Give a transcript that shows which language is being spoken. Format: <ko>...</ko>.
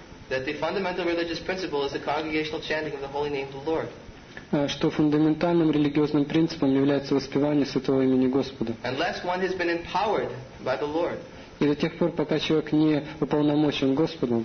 <en>That the fundamental religious principle is the congregational chanting of the holy name of the Lord.</en> <ru>Что фундаментальным религиозным принципом является воспевание святого имени Господа.</ru> <en>Unless one has been empowered by the Lord.</en> <ru>И до тех пор, пока человек не уполномочен Господом,</ru>